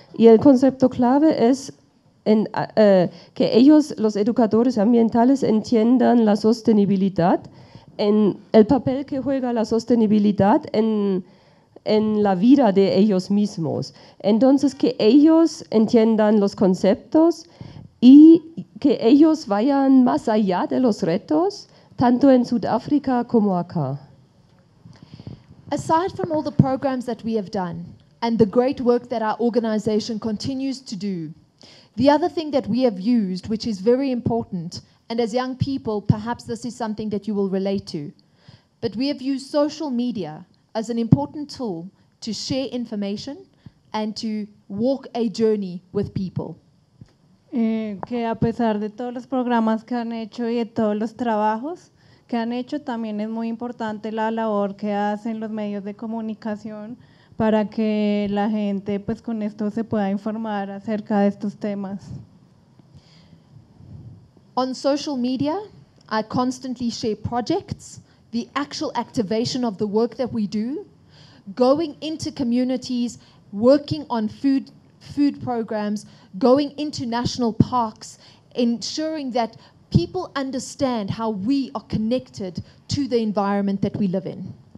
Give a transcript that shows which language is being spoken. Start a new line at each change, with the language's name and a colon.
Spanish: Y el concepto clave es que ellos, los educadores ambientales, entiendan la sostenibilidad, en el papel que juega la sostenibilidad en la vida de ellos mismos. Entonces, que ellos entiendan los conceptos y que ellos vayan más allá de los retos, tanto en Sudáfrica como acá.
English: Aside from all the programs that we have done and the great work that our organization continues to do, the other thing that we have used, which is very important, and as young people, perhaps this is something that you will relate to, but we have used social media as an important tool to share information and to walk a journey with people.
Spanish: Que a pesar de todos los programas que han hecho y de todos los trabajos que han hecho. También es muy importante la labor que hacen los medios de comunicación para que la gente, pues, con esto se pueda informar acerca de estos temas.
English: On social media, I constantly share projects, the actual activation of the work that we do, going into communities, working on food programs, going into national parks, ensuring that people understand how we are connected to the environment that we live in.